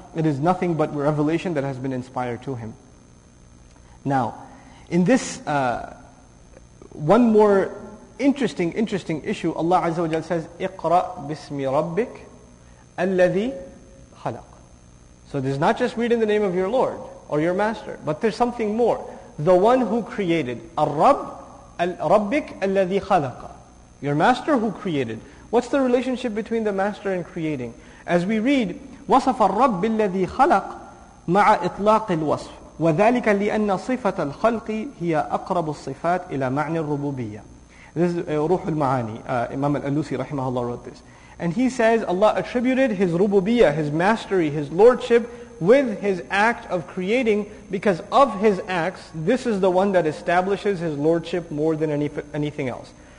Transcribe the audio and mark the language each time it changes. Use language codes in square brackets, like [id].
[en] It is nothing but revelation that has been inspired to him. Now, in this one more interesting issue, Allah Azza wa Jalla says, [ar] اقرأ بسم ربك الذي خلق. [en] So this is not just read in the name of your Lord or your Master, but there's something more. The one who created, [ar] ربك الذي خلق. [en] Your Master who created. What's the relationship between the Master and creating? As we read, [ar] وصف الرب الذي خلق مع إطلاق الوصف. وذلك لأن صفة الخلق هي أقرب الصفات إلى معنى الربوبية. [en] This is روح المعاني. Imam Al-Alusi [ar] رحمه الله [en] wrote this. And he says Allah attributed His rububiyyah, His mastery, His lordship with His act of creating, because of His acts, this is the one that establishes His lordship more than anything else.